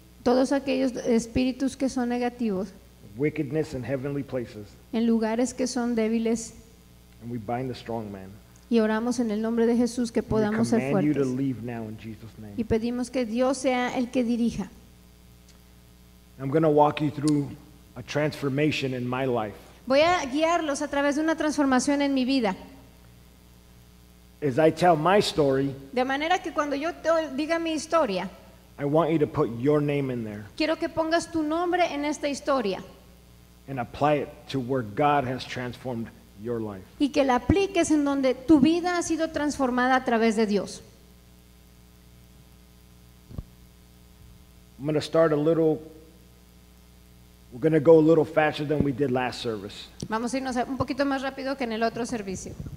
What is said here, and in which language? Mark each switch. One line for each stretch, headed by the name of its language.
Spanish: Todos aquellos espíritus que son negativos.
English: Wickedness in heavenly places.
Spanish: En lugares que son débiles
English: And we bind the strong man.
Spanish: Y oramos en el nombre de Jesús que podamos ser fuertes.
English: You to leave now in Jesus' name.
Spanish: Y pedimos que Dios sea el que dirija.
English: I'm going to walk you through a transformation in my life.
Spanish: Voy a guiarlos a través de una transformación en mi vida.
English: As I tell my story,
Spanish: de manera que cuando yo diga mi historia,
English: I want you to put your name in there.
Spanish: Quiero que pongas tu nombre en esta historia.
English: And apply it to where God has transformed your life.
Spanish: Y que la apliques en donde tu vida ha sido transformada a través de Dios.
English: I'm going to start a little. We're going to go a little faster than we did last service.
Spanish: Vamos a irnos un poquito más rápido que en el otro servicio.